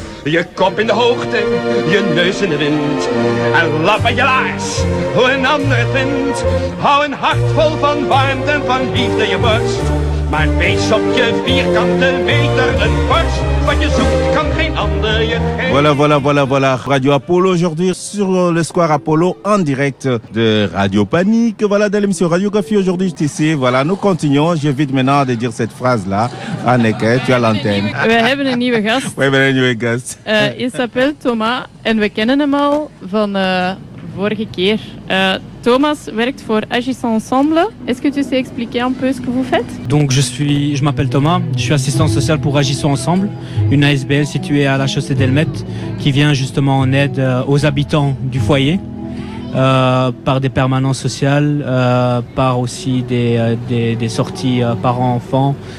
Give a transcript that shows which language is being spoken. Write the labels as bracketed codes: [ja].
[nl] Je kop in de hoogte, je neus in de wind. En lap aan je laars hoe een ander het vindt. Hou een hart vol van warmte en van liefde je borst. Maar wees op je vierkante meter een borst. [fr] Voilà, voilà, voilà, voilà. Radio Apollo aujourd'hui sur le Square Apollo en direct de Radio Panique. Voilà, de l'émission Radio Café aujourd'hui, juste ici. Voilà, nous continuons. J'évite maintenant de dire cette phrase-là. Anneke, tu as l'antenne. [nl] We hebben een nieuwe gast. [fr] Il s'appelle Thomas [nl] en we kennen hem al van vorige keer. Thomas werkt voor Agissons Ensemble. [fr] Est-ce que tu sais expliquer un peu ce que vous faites? Donc je m'appelle Thomas, je suis assistant social pour Agissons Ensemble, une ASBL située à la chaussée d'Elmette qui vient justement en aide aux habitants du foyer par des permanences sociales, par aussi des sorties parents-enfants.